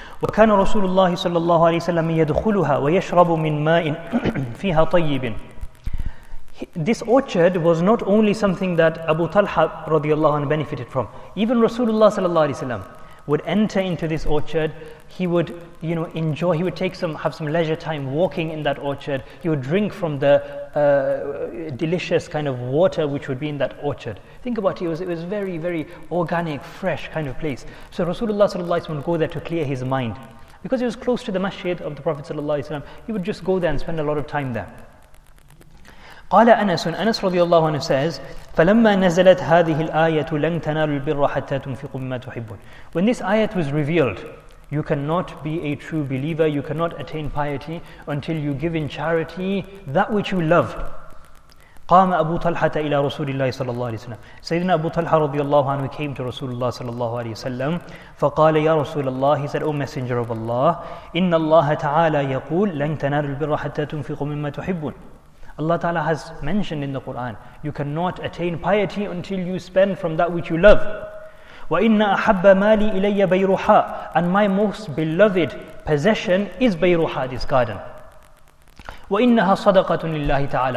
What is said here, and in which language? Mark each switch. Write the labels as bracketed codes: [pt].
[ar] وَكَانَ رَسُولُ اللَّهِ sallallahu alayhi wa sallam يَدْخُلُهَا وَيَشْرَبُ مِنْ مَاءٍ فِيهَا طَيِّبٍ. [en] This orchard was not only something that Abu Talha radiallahu anhu benefited from. Even Rasulullah sallallahu alayhi wa sallam, would enter into this orchard. He would, you know, enjoy, he would take some, have some leisure time walking in that orchard. He would drink from the delicious kind of water which would be in that orchard. Think about it, it was very, very organic, fresh kind of place. So Rasulullah sallallahu alaihi wasallam would go there to clear his mind. Because he was close to the masjid of the Prophet sallallahu alaihi wasallam, he would just go there and spend a lot of time there. Qala Anas, Anas radiyallahu anhu says, [ar] فَلَمَّا نَزَلَتْ هَذِهِ الْآيَةُ لَنْ تَنَالُ الْبِرَّ حَتَّى تُنْفِقُوا مِمَّا تُحِبُّونَ. [en] When this ayat was revealed, you cannot be a true believer, you cannot attain piety until you give in charity that which you love. [ar] قَامَ أَبُو طَلْحَةَ إِلَى رَسُولِ اللَّهِ صَلَى اللَّهُ عَلَيْهِ وَسَلَّمَ. [en] Sayyidina Abu Talha radiyallahu anhu came to Rasulullah sallallahu alayhi wa sallam. [ar] فَقَالَ يَا رَسُولَ اللَّهِ, [en] he said, O Messenger of Allah, [ar] إِنَّ اللَّهَ تَعَالَى يَقُولُ لَنْ تَنَالُ الْبِرَّ حَتَّى تُنْفِقُوا مِمَّا تُحِبُّونَ. [en] Allah Ta'ala has mentioned in the Quran, you cannot attain piety until you spend from that which you love. [ar] وَإِنَّ أَحَبَّ مَالِي إِلَيَّ بَيْرُحَا. [en] And my most beloved possession is بَيْرُحَا, this garden. [ar] وَإِنَّهَا صَدَقَةٌ لِلَّهِ تَعَالَى.